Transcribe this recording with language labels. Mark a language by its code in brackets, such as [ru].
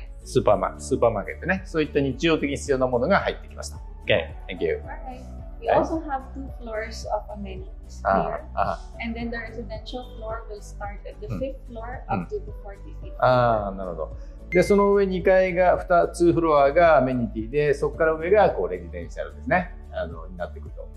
[ja] スーパーマーケットね、そういった日常的に必要なものが入ってきました。 [en] Okay, thank you. Okay. We also have two floors of amenities here. And then the residential floor will start at the fifth floor up to the 48th floor. [ja] ああ、なるほど。で、その上2階が2フロアがアメニティで、そこから上がこうレジデンシャルですね、になってくると。